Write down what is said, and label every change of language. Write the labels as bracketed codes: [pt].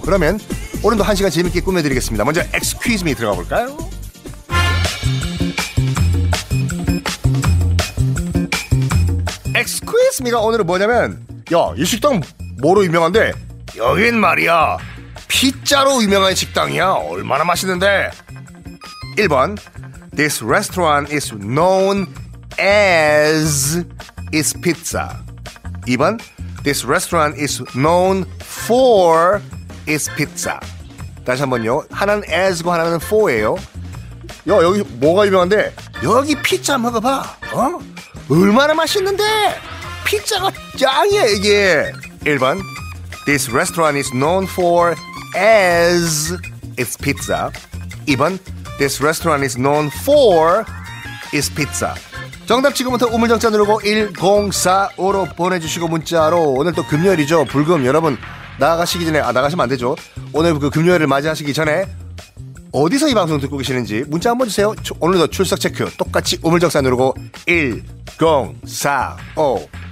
[ko] 그러면 오늘도 한 시간 재밌게 꾸며드리겠습니다. 먼저 엑스퀴즈미 들어가 볼까요? 엑스퀴즈미가 오늘은 뭐냐면, 야, 이 식당 뭐로 유명한데? 여긴 말이야, 피자로 유명한 식당이야. 얼마나 맛있는데? 1번, [en] This restaurant is known as its pizza. [ko] 2번, [en] This restaurant is known for its pizza. [ko] 다시 한번요, 하나는 as고 하나는 for예요. 야, 여기 뭐가 유명한데? 여기 피자 먹어봐. 어? 얼마나 맛있는데? 피자가 짱이야, 이게. 1번, [en] This restaurant is known for as its pizza. [ko] 2번, [en] This restaurant is known for its pizza. [ko] 정답 지금부터 우물정자 누르고 1045로 보내주시고, 문자로. 오늘 또 금요일이죠. 불금 여러분, 나가시기 전에, 나가시면 안 되죠. 오늘 그 금요일을 맞이하시기 전에 어디서 이 방송 듣고 계시는지 문자 한번 주세요. 오늘도 출석 체크. 똑같이 우물정자 누르고 1045.